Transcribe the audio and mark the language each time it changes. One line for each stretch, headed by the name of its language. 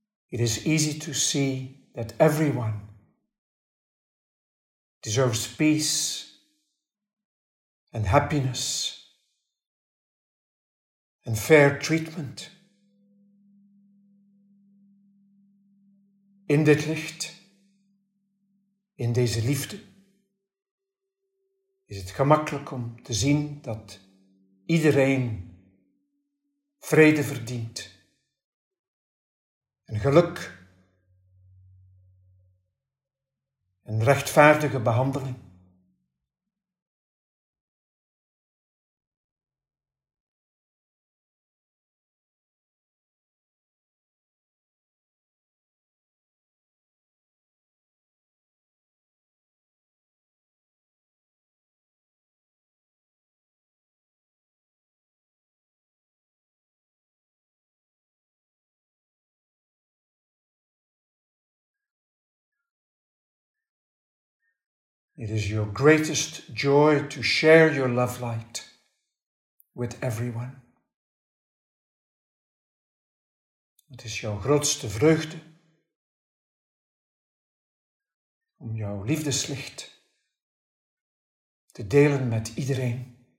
English: It is easy to see that everyone deserves peace and happiness and fair treatment.
Dutch: In dit licht, in deze liefde, is het gemakkelijk om te zien dat iedereen vrede verdient en geluk en rechtvaardige behandeling.
English: It is your greatest joy to share your love light with everyone.
Dutch: Het is jouw grootste vreugde om jouw liefdeslicht te delen met iedereen.